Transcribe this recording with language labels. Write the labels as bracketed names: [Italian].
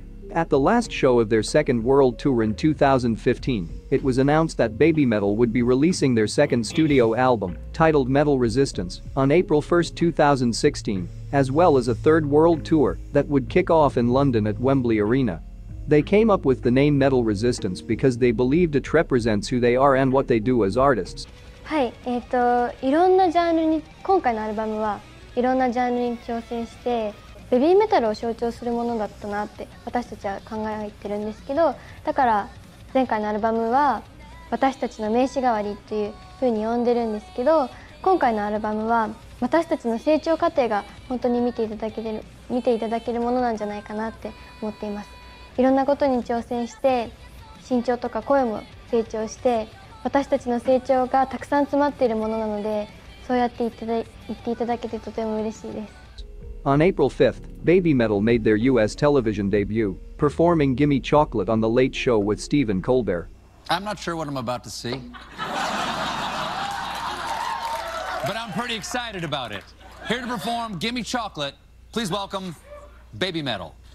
[English] At the last show of their second world tour in 2015, it was announced that Babymetal would be releasing their second studio album, titled Metal Resistance, on April 1, 2016, as well as a third world tour that would kick off in London at Wembley Arena. They came up with the name Metal Resistance because they believed it represents who they are and what they do as artists. [Japanese] はい、いろんなジャンルに、今回のアルバムはいろんなジャンルに挑戦して、ベビーメタルを象徴するものだったなって私たちは考えてるんですけど、だから前回のアルバムは私たちの名刺代わりっていうふうに呼んでるんですけど、今回のアルバムは私たちの成長過程が本当に見ていただけるものなんじゃないかなって思っています。いろんなことに挑戦して、身長とか声も成長して、私たちの成長がたくさん詰まっているものなので、そうやって言っていただけてとても嬉しいです。 [English] On April 5th, Babymetal made their US television debut, performing Gimme Chocolate on The Late Show with Stephen Colbert. I'm not sure what I'm about to see. But I'm pretty excited about it. Here to perform Gimme Chocolate, please welcome Babymetal.